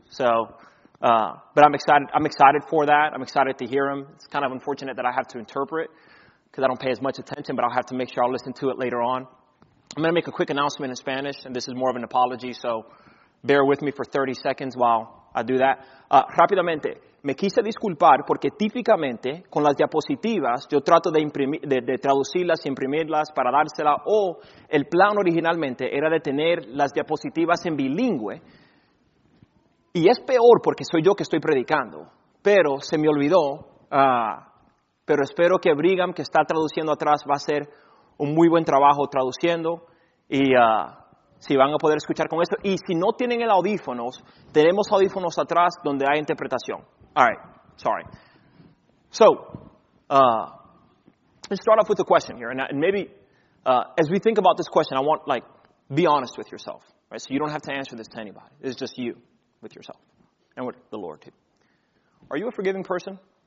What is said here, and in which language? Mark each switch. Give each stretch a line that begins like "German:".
English: So, but I'm excited. I'm excited for that. I'm excited to hear him. It's kind of unfortunate that I have to interpret because I don't pay as much attention, but I'll have to make sure I'll listen to it later on. I'm going to make a quick announcement in Spanish, and this is more of an apology, so bear with me for 30 seconds while I do that.
Spanish: Rápidamente, me quise disculpar porque típicamente con las diapositivas yo trato de traducirlas y imprimirlas para dársela, o el plan originalmente era de tener las diapositivas en bilingüe, y es peor porque soy yo que estoy predicando, pero se me olvidó, pero espero que Brigham, que está traduciendo atrás, va a ser un muy buen trabajo traduciendo, y si van a poder escuchar con esto. Y si no tienen el audífonos, tenemos audífonos atrás donde hay interpretación.
English: All right, sorry. So, let's start off with a question here. And maybe, as we think about this question, I want, like, be honest with yourself. Right? So you don't have to answer this to anybody. It's just you with yourself and with the Lord, too. Are you a forgiving person?